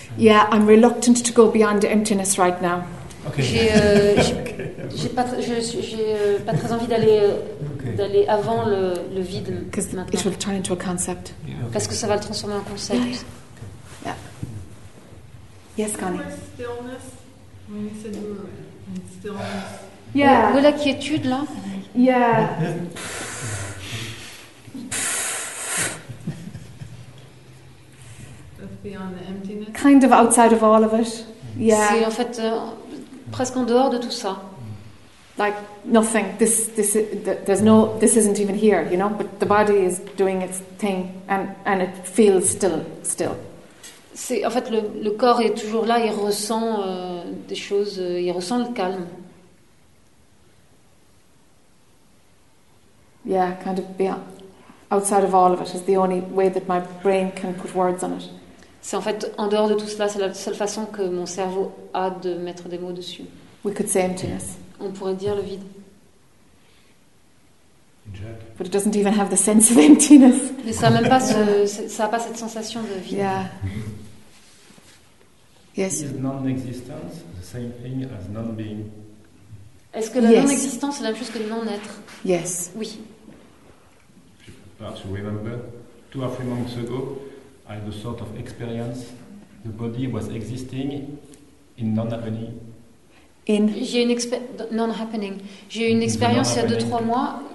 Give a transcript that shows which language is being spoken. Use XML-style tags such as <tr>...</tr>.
<en>Yeah, I'm reluctant to go beyond emptiness right now. Okay.</en> <fr>J'ai pas très envie d'aller avant le vide maintenant.</fr> <en>It will turn into a concept. Yeah, okay.</en> <fr>Parce que ça va le transformer en concept.</fr> <en>Yeah. Yeah. Okay. Yeah. Yes, Connie. Where's stillness? When you said you were stillness. Yeah.</en> <fr>Où est la quiétude là?</fr> <en>Yeah. beyond the emptiness. Kind of outside of all of it. Yeah.</en> <fr>C'est en fait presque en dehors de tout ça.</fr> <en>Like nothing. This isn't even here, you know. But the body is doing its thing, and it feels still.</en> <fr>C'est en fait le corps est toujours là. Il ressent des choses. Il ressent le calme.</fr> <en>Yeah, kind of beyond. Outside of all of it is the only way that my brain can put words on it.</en> <fr>C'est en fait en dehors de tout cela, c'est la seule façon que mon cerveau a de mettre des mots dessus.</fr> <en>We could say emptiness.</en> <fr>On pourrait dire le vide.</fr> <en>But it doesn't even have the sense of emptiness.</en> <fr>Mais ça a même pas ça a pas cette sensation de vide.</fr> <en>Yeah. Yes. Is non-existence the same thing as non-being?</en> <fr>Est-ce que la yes. non-existence est la même chose que le non-être?</fr> <en>Yes.</en> <fr>Oui.</fr> <en>Perhaps you remember, 2 or 3 months ago, I had a sort of experience. The body was existing in non-happening.</en> <fr>J'ai une expérience il y a 2-3 mois.</fr>